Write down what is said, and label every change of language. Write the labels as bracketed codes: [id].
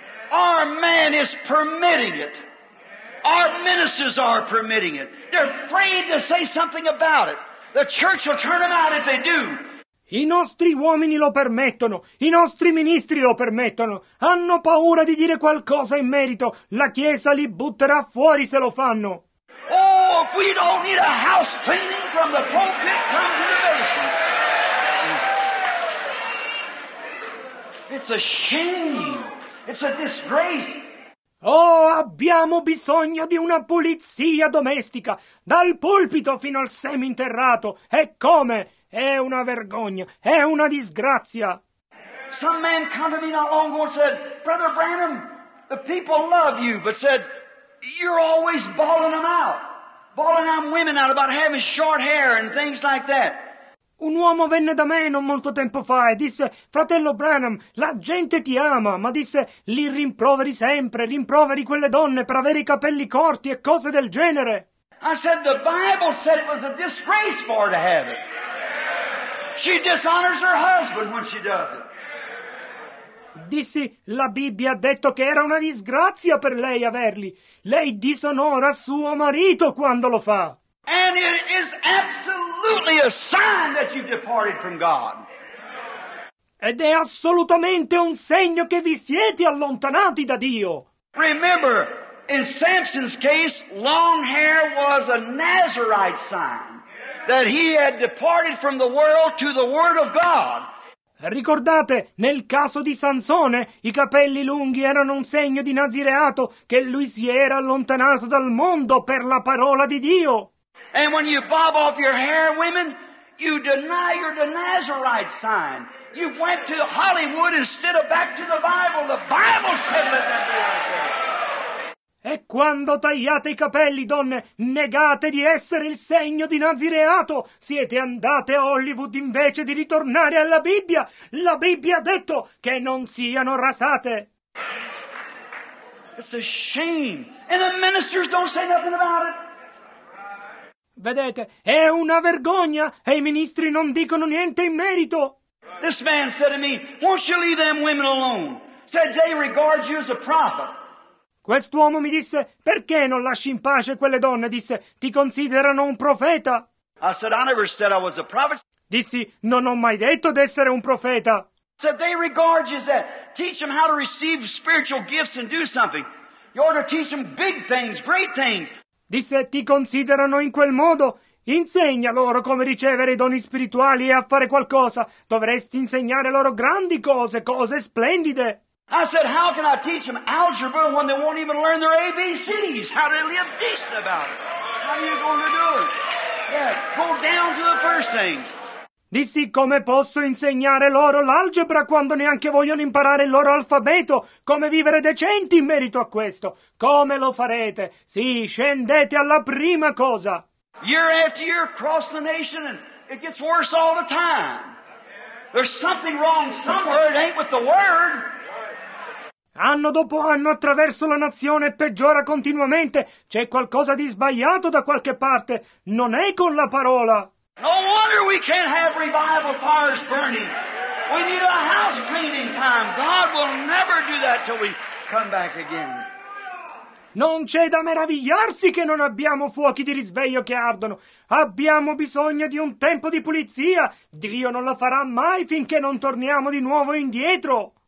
[en] Our man is permitting it. Our ministers are permitting it. They're afraid to say something about it. The church will turn them out if they do. [it] I nostri uomini lo permettono, i nostri ministri lo permettono. Hanno paura di dire qualcosa in merito. La Chiesa li butterà fuori se lo fanno. [en] If we don't need a house cleaning from the pulpit, come to the basement. It's a shame. It's a disgrace. [it] Oh, abbiamo bisogno di una pulizia domestica, dal pulpito fino al seminterrato. E come? È una vergogna. È una disgrazia. [en] Some man came to me not long ago and said, Brother Branham, the people love you, but said, you're always bawling them out. Falling on women out about having short hair and things like that. [it] Un uomo venne da me non molto tempo fa e disse, Fratello Branham, la gente ti ama, ma disse, li rimproveri sempre, rimproveri quelle donne per avere i capelli corti e cose del genere. [en] I said, the Bible said it was a disgrace for her to have it. She dishonors her husband when she does it. [it] Dissi, la Bibbia ha detto che era una disgrazia per lei averli. Lei disonora suo marito quando lo fa. [en] And it is absolutely a sign that you've departed from God. [it] Ed è assolutamente un segno che vi siete allontanati da Dio. [en] Remember, in Samson's case, long hair was a Nazarite sign that he had departed from the world to the Word of God. [it] Ricordate, nel caso di Sansone, i capelli lunghi erano un segno di nazireato che lui si era allontanato dal mondo per la parola di Dio. [en] And when you bob off your hair, women, you deny your the Nazarite sign. You went to Hollywood instead of back to the Bible. The Bible said let that be right there. [it] E quando tagliate i capelli, donne, negate di essere il segno di Nazireato. Siete andate a Hollywood invece di ritornare alla Bibbia. La Bibbia ha detto che non siano rasate. [en] It's a shame. And the ministers don't say nothing about it. [it] Vedete, è una vergogna e i ministri non dicono niente in merito. [en] This man said to me, won't you leave them women alone? Said they regard you as a prophet. [it] Quest'uomo mi disse, perché non lasci in pace quelle donne? Disse, ti considerano un profeta. [en] I said, I never said I was a prophet. [it] Dissi, non ho mai detto di essere un profeta. [en] Said, they regard you as that. Teach them how to receive spiritual gifts and do something. You ought to teach them big things, great things. [it] Disse, ti considerano in quel modo. Insegna loro come ricevere i doni spirituali e a fare qualcosa. Dovresti insegnare loro grandi cose, cose splendide. [en] I said, how can I teach them algebra when they won't even learn their ABCs? How do they live decent about it? How are you going to do it? Yeah, go down to the first thing. [it] Dissi, come posso insegnare loro l'algebra quando neanche vogliono imparare il loro alfabeto? Come vivere decenti in merito a questo? Come lo farete? Sì, scendete alla prima cosa. [en] Year after year, across the nation, and it gets worse all the time. There's something wrong somewhere. It ain't with the word. [it] Anno dopo anno attraverso la nazione peggiora continuamente. C'è qualcosa di sbagliato da qualche parte. Non è con la parola. [en] No wonder we can't have revival fires burning. We need a house cleaning time. God will never do that till we come back again. [it] Non c'è da meravigliarsi che non abbiamo fuochi di risveglio che ardono. Abbiamo bisogno di un tempo di pulizia. Dio non la farà mai finché non torniamo di nuovo indietro.